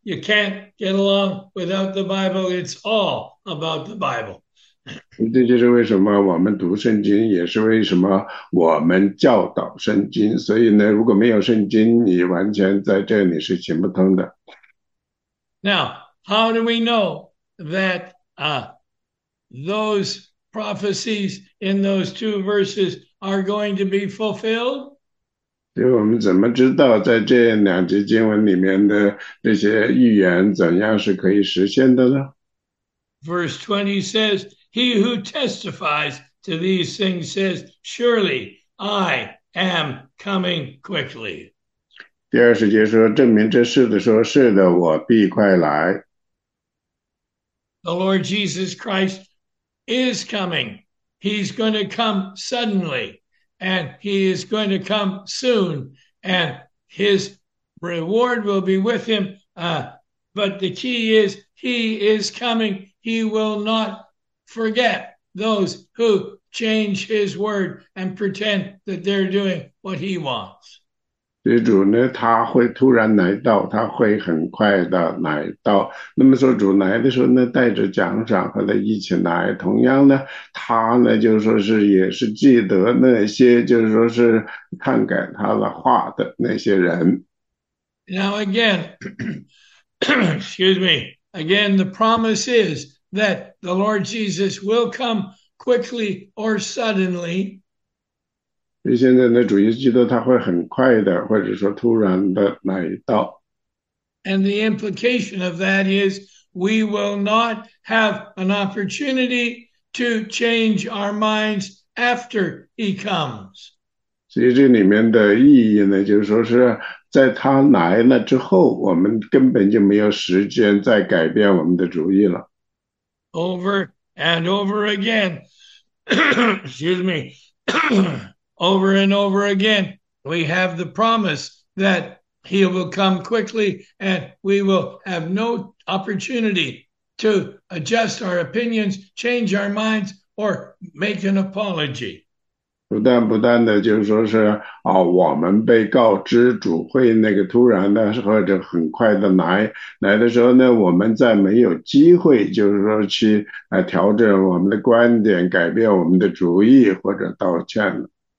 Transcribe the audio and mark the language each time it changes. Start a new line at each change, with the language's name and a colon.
English: You can't get along without the Bible. It's all about the Bible.
Chinese: 这就是为什么我们读圣经，也是为什么我们教导圣经。所以呢，如果没有圣经，你完全在这里是行不通的。
English: Now, how do we know that those prophecies in those two verses are going to be fulfilled?
Chinese: 所以我们怎么知道在这两节经文里面的这些预言怎样是可以实现的呢？
English: Verse 20 says, "He who testifies to these things says, 'Surely I am coming quickly.'"
Chinese: 第20节说，证明这事的说，是的，我必快来。
English: The Lord Jesus Christ is coming. He's going to come suddenly, and he is going to come soon, and his reward will be with him. But the key is, he is coming. He will not forget those who change his word and pretend that they're doing what he wants.
Chinese: 这主呢，他会突然来到，他会很快的来到。那么说，主来的时候呢，带着奖赏和他一起来。同样呢，他呢，就是说是也是记得那些，就是说是篡改他的话的那些人。
English: Now again, excuse me, again, the promise is that the Lord Jesus will come quickly or suddenly.
Chinese: 所以现在呢，主耶稣基督他会很快的，或者说突然的来到。
English: And the implication of that is we will not have an opportunity to change our minds after he comes.
Chinese: 所以这里面的意义呢，就是说是在他来了之后，我们根本就没有时间再改变我们的主意了。
English: Over and over again, excuse me, over and over again, we have the promise that he will come quickly and we will have no opportunity to adjust our opinions, change our minds, or make an apology.
Chinese: 不但的，就是说是啊，我们被告知主会那个突然的或者很快的来的时候呢，我们再没有机会，就是说去调整我们的观点，改变我们的主意或者道歉了。